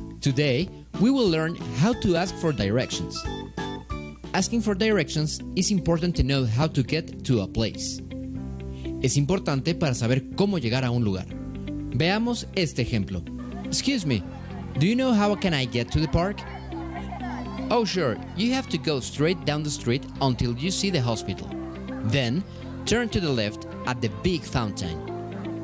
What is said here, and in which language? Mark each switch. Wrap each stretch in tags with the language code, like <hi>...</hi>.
<en>Today, we will learn how to ask for directions. Asking for directions is important to know how to get to a place.</en> <es>Es importante para saber cómo llegar a un lugar. Veamos este ejemplo.</es> <en>Excuse me, do you know how can I get to the park? Oh sure, you have to go straight down the street until you see the hospital. Then, turn to the left at the big fountain.</en>